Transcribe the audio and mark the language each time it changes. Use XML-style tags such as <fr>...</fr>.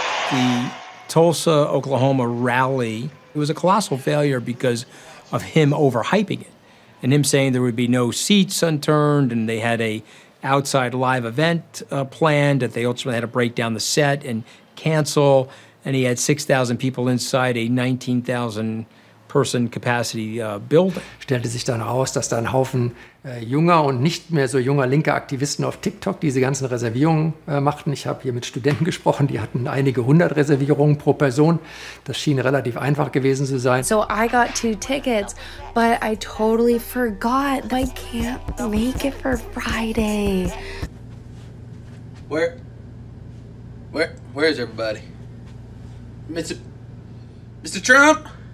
<en>The Tulsa, Oklahoma rally, it was a colossal failure because of him overhyping it and him saying there would be no seats unturned, and they had a outside live event planned that they ultimately had to break down the set and cancel, and he had 6,000 people inside a 19,000 person capacity building.</en> <de>Stellte sich dann raus, dass da ein Haufen junger und nicht mehr so junger linker Aktivisten auf TikTok diese ganzen Reservierungen machten. Ich habe hier mit Studenten gesprochen, die hatten einige hundert Reservierungen pro Person. Das schien relativ einfach gewesen zu sein.</de> <en>So I got two tickets, but I totally forgot that I can't make it for Friday. Where is everybody? Mr. Trump?</en>